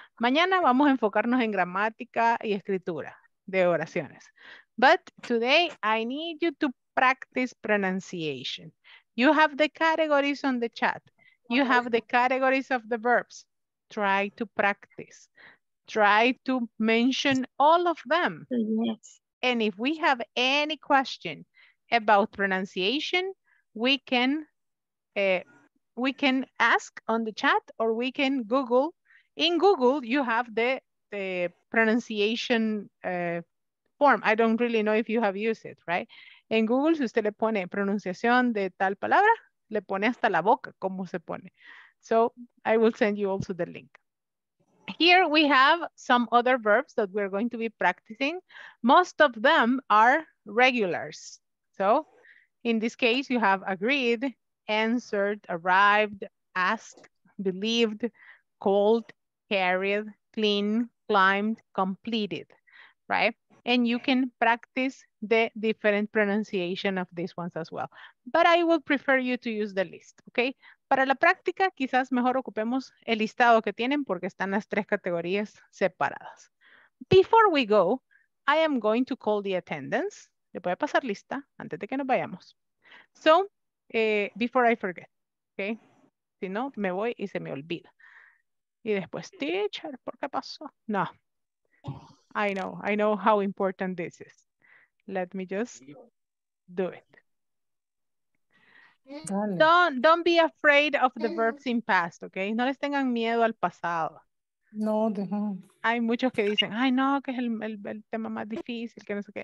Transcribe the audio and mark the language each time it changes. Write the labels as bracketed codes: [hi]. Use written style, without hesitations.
[es] Mañana vamos a enfocarnos en gramática y escritura de oraciones. [en] But today I need you to practice pronunciation. You have the categories on the chat. You have the categories of the verbs. Try to practice. Try to mention all of them. Yes. And if we have any question about pronunciation, we can ask on the chat, or we can Google. In Google, you have the pronunciation form. I don't really know if you have used it, right? [es] En Google, si usted le pone pronunciación de tal palabra, le pone hasta la boca cómo se pone. [en] So I will send you also the link. Here we have some other verbs that we're going to be practicing. Most of them are regulars. So in this case, you have agreed, answered, arrived, asked, believed, called, carried, clean, climbed, completed, right? And you can practice the different pronunciation of these ones as well. But I would prefer you to use the list, okay? [es] Para la práctica, quizás mejor ocupemos el listado que tienen porque están las tres categorías separadas. [en] Before we go, I am going to call the attendance. [es] Le voy a pasar lista antes de que nos vayamos. [en] So, before I forget, okay? [es] Si no, me voy y se me olvida. Y después, teacher, ¿por qué pasó? No. [en] I know how important this is. Let me just do it. Don't be afraid of the verbs in past, okay? [es] No les tengan miedo al pasado. No, no. Hay muchos que dicen, ay no, que es el tema más difícil, que no sé qué.